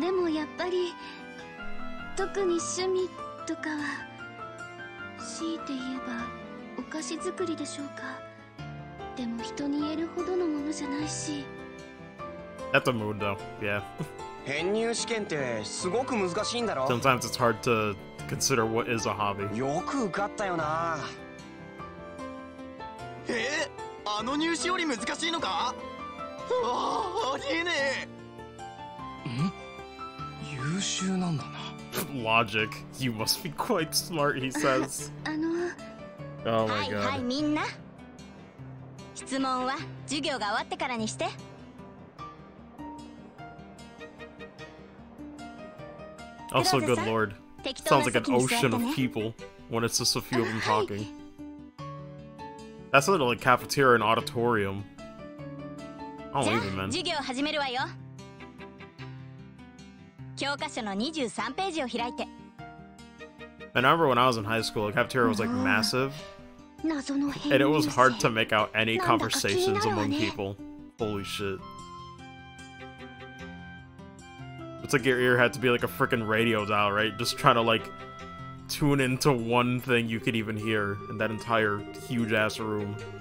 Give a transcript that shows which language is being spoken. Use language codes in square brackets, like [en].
[ja] でもやっぱり特に趣味とかは、強いて言えばお菓子作りでしょうか。でも人に言えるほどのものじゃないし。 [en] That's a mood though. Yeah. [ja] 編入試験ってすごく難しいんだろ。 [en] Sometimes it's hard to consider what is a hobby. [ja] よく受かったよな。あの入試より難しいのか。ありえねえ。優秀なんだな。 [en] Logic. You must be quite smart, he says. Oh my god. [ja] はいはい、みんな。質問は授業が終わってからにして。 [en] Also, good lord. Sounds like an ocean of people when it's just a few of them talking. That's not like cafeteria and auditorium. I don't even, man. [ja] 授業を始めるわよ。教科書の23ページを開いて。 [en] I remember when I was in high school, the cafeteria was like massive. And it was hard to make out any conversations among people. Holy shit. It's like your ear had to be like a freaking radio dial, right? Just trying to like tune into one thing you could even hear in that entire huge ass room.